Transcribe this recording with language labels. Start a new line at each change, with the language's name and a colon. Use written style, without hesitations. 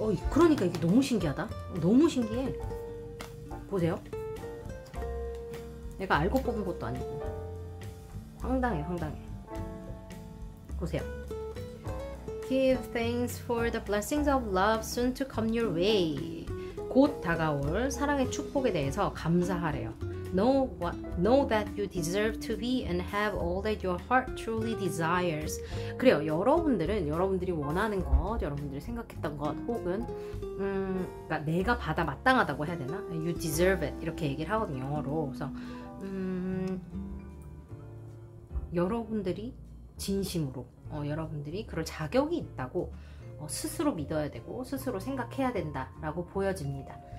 Korean: 그러니까 이게 너무 신기하다. 너무 신기해. 보세요. 내가 알고 뽑은 것도 아니고. 황당해, 황당해. 보세요.
English: Give thanks for the blessings of love soon to come your way.
Korean: 곧 다가올 사랑의 축복에 대해서 감사하래요.
English: Know that you deserve to be and have all that your heart truly desires.
Korean: 그래요, 여러분들은 여러분들이 원하는 것, 여러분들이 생각했던 것, 혹은 그러니까 내가 받아 마땅하다고 해야 되나?
English: You deserve it,
Korean: 이렇게 얘기를 하거든요, 영어로. 그래서 여러분들이 진심으로 여러분들이 그럴 자격이 있다고 스스로 믿어야 되고 스스로 생각해야 된다라고 보여집니다.